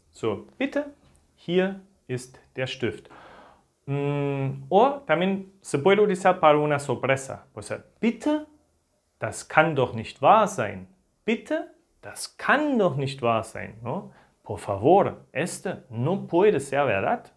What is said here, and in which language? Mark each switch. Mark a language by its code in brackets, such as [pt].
[de] So, bitte, hier ist der Stift. [es] O también se puede utilizar para una sorpresa. O sea, [de] bitte, das kann doch nicht wahr sein. Bitte, das kann doch nicht wahr sein. [es] No? Por favor, este no puede ser verdad.